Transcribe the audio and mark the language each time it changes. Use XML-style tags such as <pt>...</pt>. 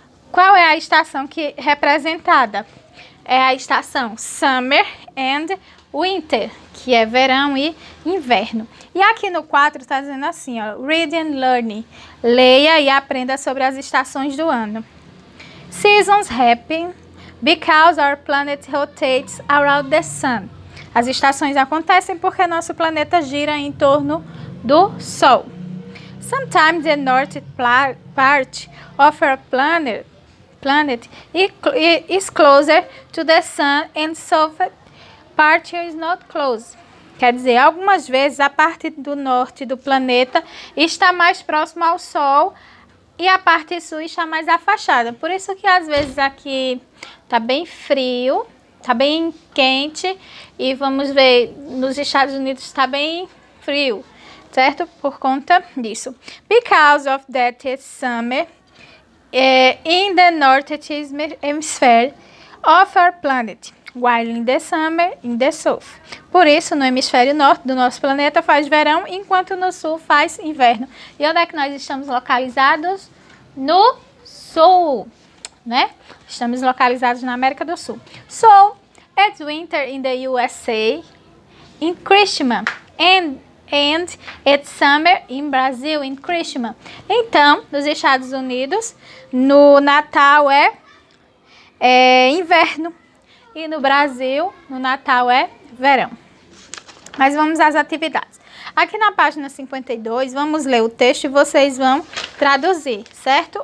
<pt>Qual é a estação que representada? É a estação Summer and Winter, que é verão e inverno. E aqui no 4 está dizendo assim, ó,</pt> <en>read and learn.</en> <pt>Leia e aprenda sobre as estações do ano.</pt> <en>Seasons happen because our planet rotates around the sun.</en> <pt>As estações acontecem porque nosso planeta gira em torno do Sol.</pt> <en>Sometimes the north part of our planet is closer to the sun and so part is not close.</en> <pt>Quer dizer, algumas vezes a parte do norte do planeta está mais próxima ao Sol e a parte sul está mais afastada. Por isso que às vezes aqui está bem frio, está bem quente e vamos ver, nos Estados Unidos está bem frio, certo? Por conta disso.</pt> <en>Because of that summer, in the northern hemisphere of our planet. While in the summer, in the south.</en> <pt>Por isso, no hemisfério norte do nosso planeta faz verão, enquanto no sul faz inverno. E onde é que nós estamos localizados? No sul, né? Estamos localizados na América do Sul.</pt> <en>So, it's winter in the USA, in Christmas, and it's summer in Brazil, in Christmas.</en> <pt>Então, nos Estados Unidos, no Natal é inverno. E no Brasil, no Natal é verão. Mas vamos às atividades. Aqui na página 52, vamos ler o texto e vocês vão traduzir, certo?</pt>